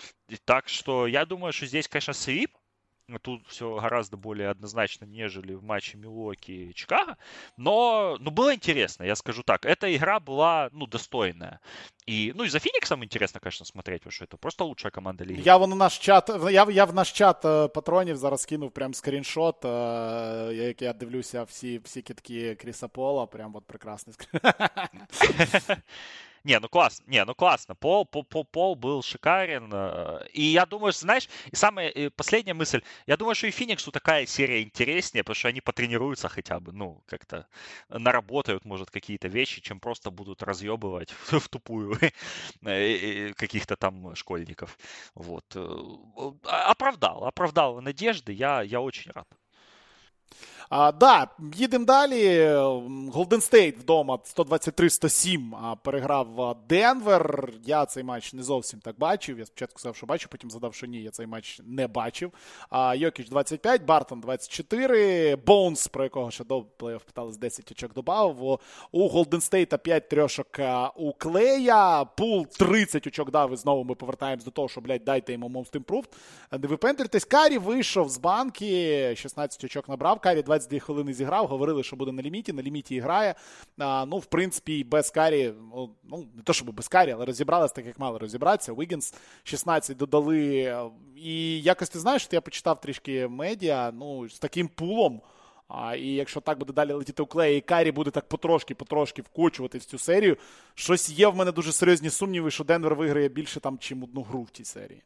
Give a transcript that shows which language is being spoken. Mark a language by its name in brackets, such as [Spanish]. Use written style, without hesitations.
[Russian] И так что я думаю, что здесь, конечно, свип. Тут все гораздо более однозначно, нежели в матче Милуоки и Чикаго. Но, ну, было интересно, я скажу так. Эта игра была, ну, достойная. И, ну, и за Фениксом интересно, конечно, смотреть, потому что это просто лучшая команда лиги. [Ukrainian] Я вон наш чат, я в наш чат патронів зараз кинув прям скриншот, як я дивлюся всі китки Криса Пола, прям [Russian] вот прекрасный скриншот. Не, ну классно. Пол был шикарен. И я думаю, знаешь, и самая и последняя мысль. Я думаю, что и Фениксу такая серия интереснее, потому что они потренируются хотя бы, ну, как-то наработают, может, какие-то вещи, чем просто будут разъебывать в тупую каких-то там школьников. Вот. Оправдал надежды. Я очень рад. [Ukrainian] Да, їдемо далі. Golden State вдома 123-107 переграв Денвер. Я цей матч не зовсім так бачив. Я спочатку сказав, що бачу, потім задав, що ні, я цей матч не бачив. Йокіч 25, Бартон 24, Боунс, про якого ще до плей-офф питались, 10 очок добавив. У Golden State 5 трьошок у Клея. Пул 30 очок дав, і знову ми повертаємось до того, що, блядь, дайте йому Most Improved. Не випендрюйтесь. Карі вийшов з банки, 16 очок набрав. Карі 22 хвилини зіграв, говорили, що буде на ліміті і грає. Ну, в принципі, без Карі, ну, не то, щоб без Карі, але розібралися так, як мали розібратися. Уіггінс 16 додали. І якось, ти знаєш, я почитав трішки медіа, ну, з таким пулом, і якщо так буде далі летіти у Клея, і Карі буде так потрошки вкочувати в цю серію, щось є в мене дуже серйозні сумніви, що Денвер виграє більше там, чим одну гру в цій серії.